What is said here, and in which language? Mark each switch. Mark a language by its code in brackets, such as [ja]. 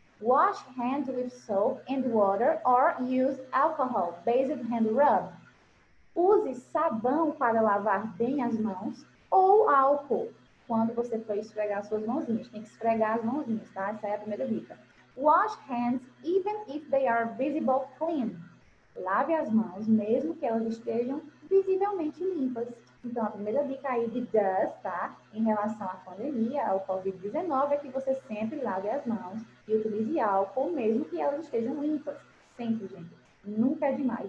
[en] Wash hands with soap and water or use alcohol, based hand rub. [pt] Use sabão para lavar bem as mãos ou álcool quando você for esfregar suas mãozinhas. Tem que esfregar as mãozinhas, tá? Essa é a primeira dica. [en] Wash hands even if they are visible clean. [pt] Lave as mãos mesmo que elas estejam visivelmente limpas. Então, a primeira dica aí de does, tá? Em relação à pandemia, ao COVID-19, é que você sempre lave as mãos e utilize álcool, mesmo que elas estejam limpas. Sempre, gente. Nunca é demais.